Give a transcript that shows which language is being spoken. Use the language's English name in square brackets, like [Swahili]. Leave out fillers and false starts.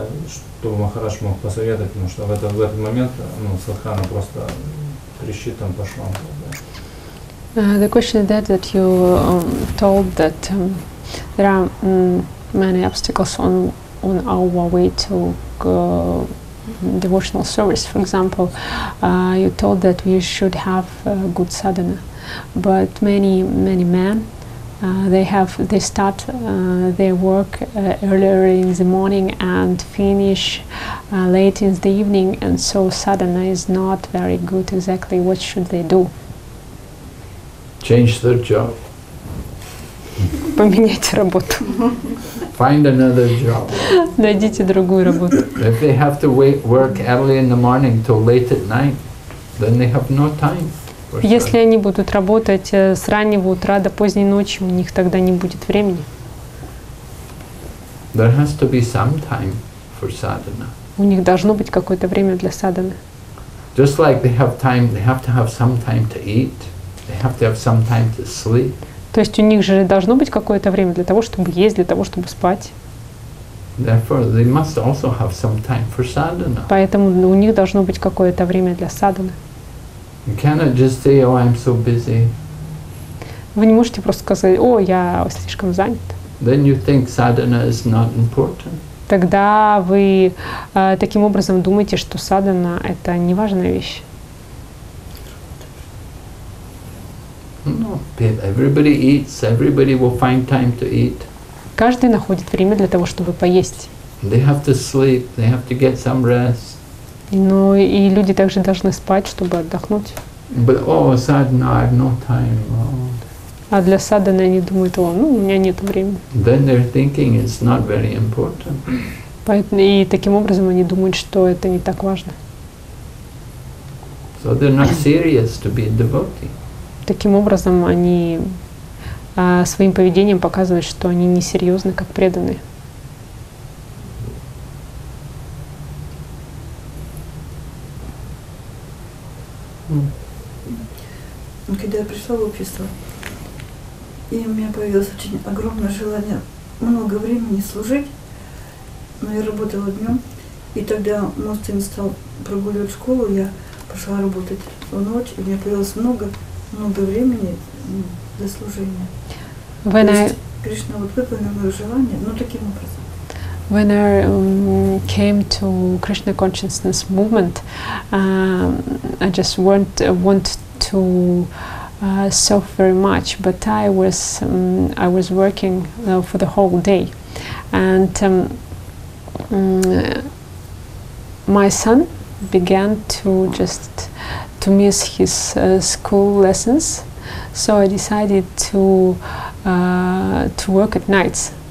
[Russian] Что Махарадж мог посоветовать, потому что в этот момент, ну, садхана просто трещит там по швам. Да. [English] The question is that you told that there are many obstacles on our way to devotional service. For example, you told that we should have good sadhana. But many men, they start their work earlier in the morning and finish late in the evening, and so sadhana is not very good. Exactly, what should they do? Change their job. [Russian] Поменять работу. [English] Find another job. [Russian] Найдите другую работу. [English] If they have to work early in the morning till late at night, then they have no time. [Russian] Если они будут работать с раннего утра до поздней ночи, у них тогда не будет времени. [English] There has to be some time for sadhana. [Russian] У них должно быть какое-то время для садханы. [English] Just like they have time, they have to have some time to eat. They have to have some time to sleep. [Russian] То есть у них же должно быть какое-то время для того, чтобы есть, для того, чтобы спать. [English] Therefore, they must also have some time for sadhana. [Russian] Поэтому у них должно быть какое-то время для садханы. [English] You cannot just say, oh, I'm so busy. [Russian] Вы не можете просто сказать, о, я слишком занят. [English] Then you think sadhana is not important. [Russian] Тогда вы таким образом думаете, что садхана – это неважная вещь. [English] No, everybody eats. Everybody will find time to eat. [Russian] Каждый находит время для того, чтобы поесть. [English] They have to sleep. They have to get some rest. [Russian] Но и люди также должны спать, чтобы отдохнуть. [English] But oh, sadhana, I have no time. [Russian] А для садханы они думают, о, ну, у меня нет времени. [English] Then they're thinking it's not very important. [Russian] Поэтому и таким образом они думают, что это не так важно. [English] So they're not serious to be a devotee. [Russian] Таким образом, они своим поведением показывают, что они не серьезны, как преданные. Когда я пришла в общество, и у меня появилось очень огромное желание много времени служить, но я работала днем, И тогда мой сын стал прогуливать школу, я пошла работать в ночь, и мне появилось много, много времени для служения. [English] When [Russian] то [English] I... [Russian] есть Кришна вот выполнил мое желание, но таким образом. [English] When I came to Krishna Consciousness Movement, I just want to serve very much, but I was working for the whole day, and my son began to just to miss his school lessons, so I decided to work at nights.